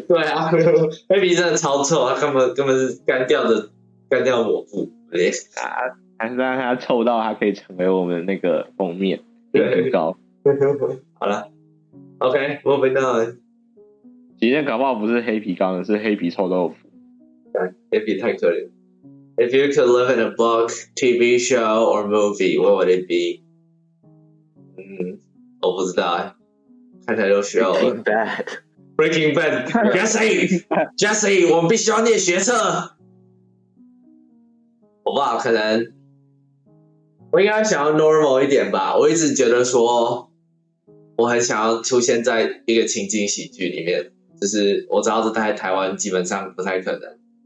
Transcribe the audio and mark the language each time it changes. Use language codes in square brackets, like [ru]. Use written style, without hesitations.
[zh] 对啊，黑皮真的超臭，它根本是干掉的抹布。啊，还是让它臭到它可以成为我们那个封面，很高。好了 ，OK， 我被闹了。今天搞不好不是黑皮缸，是黑皮臭豆腐。黑皮太可怜。 [en] If you could live in a book, TV show, or movie, what would it be? [zh] 嗯，我不知道，看起来都需要了。 [en] Breaking Bad， [zh] Jesse， 我们必须要念学测。我不知道，可能我应该想要 normal 一点吧。我一直觉得说，我很想要出现在一个情景喜剧里面，就是我知道这在台湾基本上不太可能。